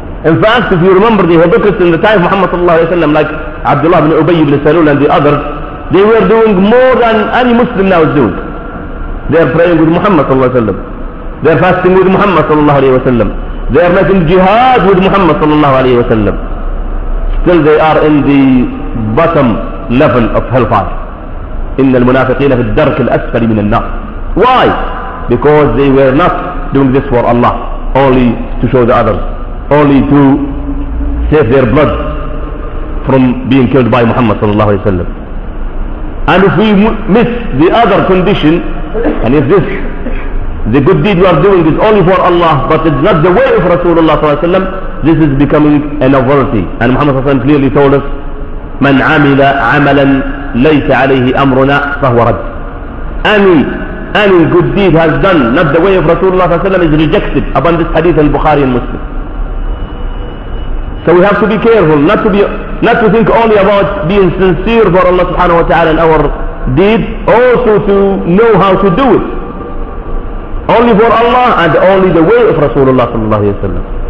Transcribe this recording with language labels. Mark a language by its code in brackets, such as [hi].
[en] In fact, if you remember the hypocrites in the time of Muhammad sallallahu alayhi wa sallam, like Abdullah ibn Ubay ibn Salul and the others, they were doing more than any Muslim now is doing. They are praying with Muhammad sallallahu alayhi wa sallam. They are fasting with Muhammad sallallahu alayhi wa sallam. They are making jihad with Muhammad sallallahu alayhi wa sallam. Still they are in the bottom level of hellfire. [ar] إن المنافقين في الدرك الأسفل من النار. [en] Why? Because they were not doing this for Allah, only to show the others, only to save their blood from being killed by Muhammad صلى الله عليه وسلم. And if we miss the other condition, and if this the good deed we are doing is only for Allah, but it's not the way of Rasulullah صلى الله عليه وسلم, this is becoming a novelty. And Muhammad صلى الله عليه وسلم clearly told us, [ar] من عمل عملا ليس عليه أمرنا فهو رد. [en] Any good deed has done not the way of Rasulullah صلى الله عليه وسلم is rejected upon this hadith in Bukhari and Muslim. So we have to be careful not to think only about being sincere for Allah subhanahu wa ta'ala in our deed, also to know how to do it only for Allah and only the way of Rasulullah صلى الله عليه وسلم.